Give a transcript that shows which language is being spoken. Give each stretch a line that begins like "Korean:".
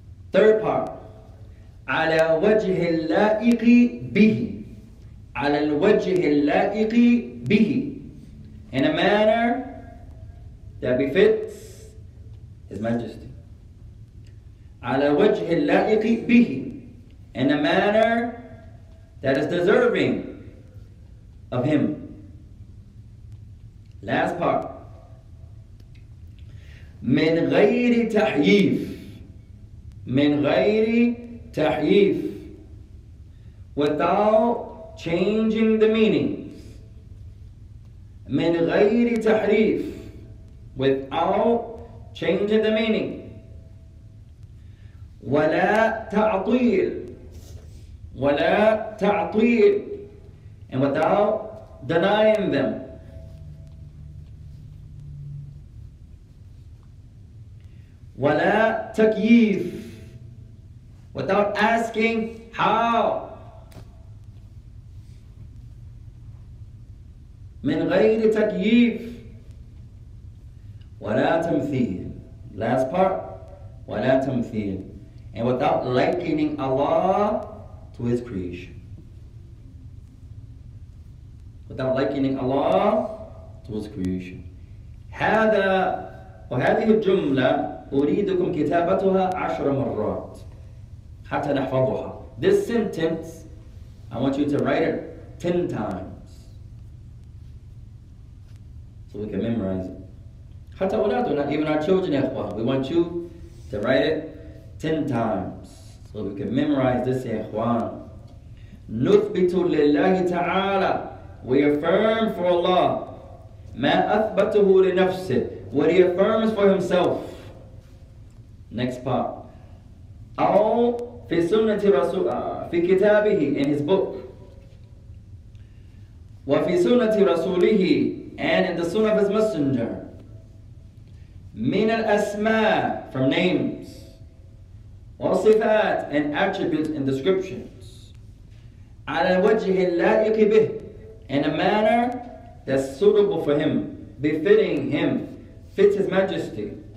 English: Third part,
Arabic: على وجه اللائق به, على الوجه اللائق به,
English: in a manner that befits His Majesty.
Arabic: على وجه اللائق به,
English: in a manner that is deserving of Him. Last part,
Arabic: من غير تحييف. من غير تحييف.
English: Without changing the meanings.
Arabic: من غير تحريف.
English: Without changing the meaning.
Arabic: ولا تعطيل. ولا تعطيل.
English: And without denying them.
Arabic: ولا تكييف.
English: Without asking how.
Arabic: من غير تكييف. ولا تمثيل.
English: Last part.
Arabic: ولا تمثيل.
English: And without likening Allah to His creation. Without likening Allah to His creation.
Arabic: هذا وهذه الجملة أريدكم كتابتها عشر مرات. حتى نحفظها.
English: This sentence, I want you to write it 10 times. So we can memorize it.
Arabic: حتى أولادنا,
English: even our children, إخوة. We want you to write it 10 times. So we can memorize this, إخوة.
Arabic: نثبت لله تعالى.
English: We affirm for Allah.
Arabic: ما أثبته لنفسه.
English: What He affirms for Himself. Next part.
Arabic: أو في سنة رسول في كتابه
English: in his book
Arabic: وفي سنة رسوله
English: and in the Sunnah of His Messenger.
Arabic: Min al-asma,
English: from names.
Arabic: Wa sifat,
English: and attributes and descriptions.
Arabic: Ala wajhi al-la'iq bih,
English: in a manner that's suitable for him, befitting him, fits his majesty.